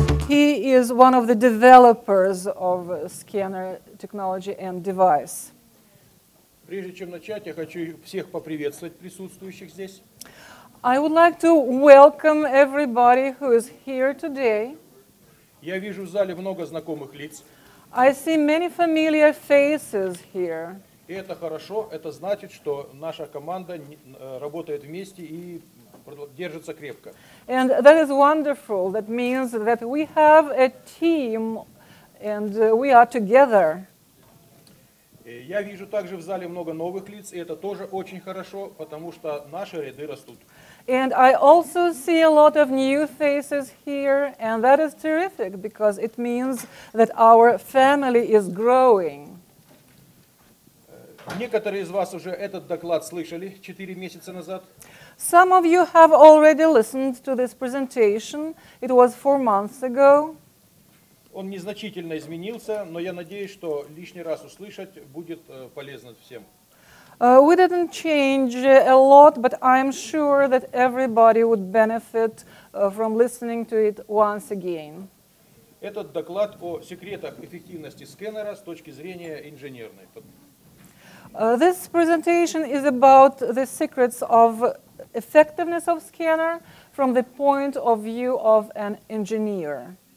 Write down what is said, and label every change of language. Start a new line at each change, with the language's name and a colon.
English: is one of the developers of scanner technology and device.
Russian: Прежде чем начать, я хочу всех поприветствовать присутствующих здесь.
English: I would like to welcome everybody who is here today.
Russian: Я вижу в зале много знакомых лиц.
English: I see many familiar faces here.
Russian: И это хорошо, это значит, что наша команда работает вместе и держится крепко.
English: And that is wonderful. That means that we have a team and we are together.
Russian: Я вижу также в зале много новых лиц, и это тоже очень хорошо, потому что наши ряды растут.
English: And I also see a lot of new faces here, and that is terrific, because it means that our family is growing.
Russian: Некоторые из вас уже этот доклад слышали 4 месяца назад.
English: Some of you have already listened to this presentation. It was 4 months ago.
Russian: Он незначительно изменился, но я надеюсь, что лишний раз услышать будет полезно всем.
English: We didn't change a lot, but I'm sure that everybody would benefit from listening to it once again.
Russian: Этот доклад о секретах эффективности сканера с точки зрения инженерной.
English: This presentation is about the secrets of effectiveness of scanner from the point of view of an engineer.